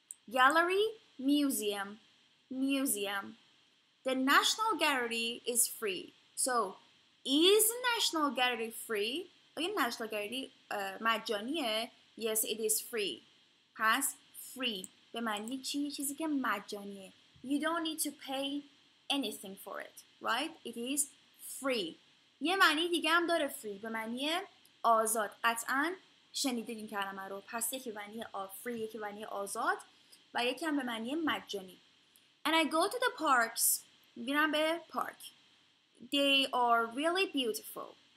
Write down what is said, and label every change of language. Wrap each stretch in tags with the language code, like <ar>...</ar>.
<en>Gallery، museum، museum. The National Gallery is free. So, is National Gallery free?</en> <fa>آیا National Gallery مجانیه؟</fa> <en>Yes, it is free.</en> <fa>پس free به معنی چیزی که مجانیه.</fa> <en>You don't need to pay anything for it, right? It is free.</en> <fa>یه معنی دیگه هم داره free به معنی آزاد. قطعا شنیدید این کلمه رو. پس یکی معنی free، یکی معنی آزاد. و یکی هم به معنی مجانی.</fa> <en>And I go to the parks.</en> <fa>میرم به پارک.</fa> <en>They are really beautiful.</en>